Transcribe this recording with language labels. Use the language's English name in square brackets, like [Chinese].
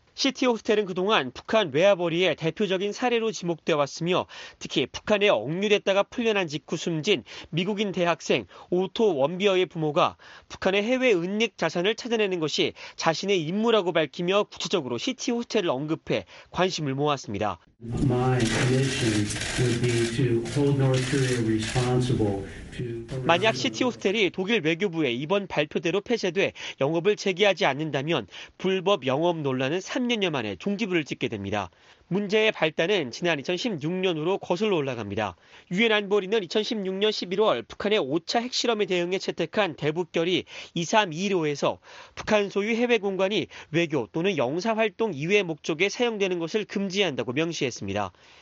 [Korean] 시티호스텔은 그동안 북한 외화벌이의 대표적인 사례로 지목되어 왔으며 특히 북한에 억류됐다가 풀려난 직후 숨진 미국인 대학생 오토 원비어의 부모가 북한의 해외 은닉 자산을 찾아내는 것이 자신의 임무라고 밝히며 구체적으로 시티호스텔을 언급해 관심을 모았습니다. [English] My mission would be to hold North Korea responsible. [Korean] 만약 시티호스텔이 독일 외교부의 이번 발표대로 폐쇄돼 영업을 재개하지 않는다면 불법 영업 논란은 3년여 만에 종지부를 찍게 됩니다. 문제의 발단은 지난 2016년으로 거슬러 올라갑니다. 유엔 안보리는 2016년 11월 북한의 5차 핵실험에 대응해 채택한 대북결의 2321호에서 북한 소유 해외 공간이 외교 또는 영사활동 이외의 목적에 사용되는 것을 금지한다고 명시했습니다.